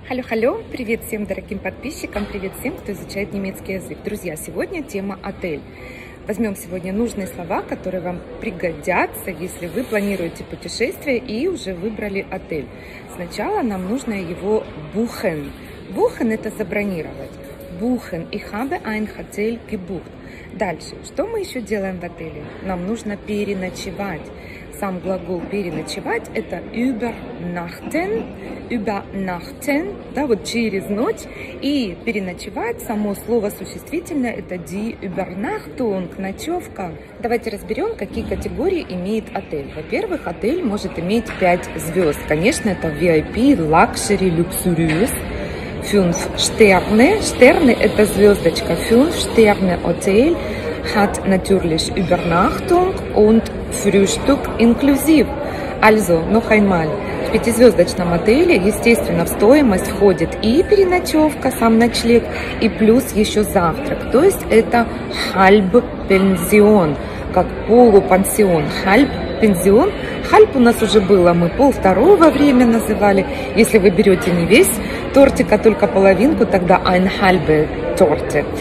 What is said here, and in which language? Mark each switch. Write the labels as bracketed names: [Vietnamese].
[Russian] Халло-халло, привет всем дорогим подписчикам, привет всем, кто изучает немецкий язык. Друзья, сегодня тема «Отель». Возьмем сегодня нужные слова, которые вам пригодятся, если вы планируете путешествие и уже выбрали отель. Сначала нам нужно его «бухен». «Бухен» — это «забронировать». «Бухен» — [German] «Ich habe ein Hotel gebucht». [Russian] Дальше, что мы еще делаем в отеле? Нам нужно переночевать. Сам глагол «переночевать» — это «übernachten». «Übernachten», да, вот «через ночь». И «переночевать» — само слово существительное — это «die Übernachtung», «ночевка». Давайте разберем, какие категории имеет отель. Во-первых, отель может иметь 5 звезд. Конечно, это VIP, Luxury, Luxurious. [German] Fünf Sterne. [Russian] Sterne – это звездочка. [German] Fünf Sterne Hotel hat natürlich Übernachtung und Frühstück inklusive. Also, noch einmal. [Russian] В пятизвездочном отеле, естественно, в стоимость входит и переночевка, сам ночлег, и плюс еще завтрак. То есть это Halbpension, как полупансион. [German] Halbpension. [Russian] Halb у нас уже было, мы полвторого время называли. Если вы берете не весь тортик, а только половинку, тогда [German] ein halbe Torte.